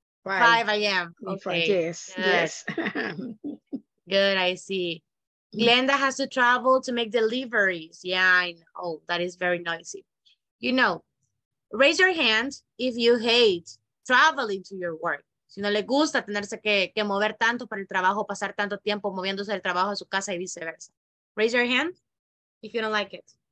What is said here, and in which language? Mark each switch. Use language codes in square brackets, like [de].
[en] Five. 5 a.m. Okay. Yes. Good. Good, I see. Glenda has to travel to make deliveries. Yeah, I know. That is very noisy. You know, raise your hand if you hate traveling to your work. [es] Si no le gusta tenerse que mover tanto para el trabajo, pasar tanto tiempo moviéndose del trabajo a su casa y viceversa. [en] Raise your hand if you don't like it.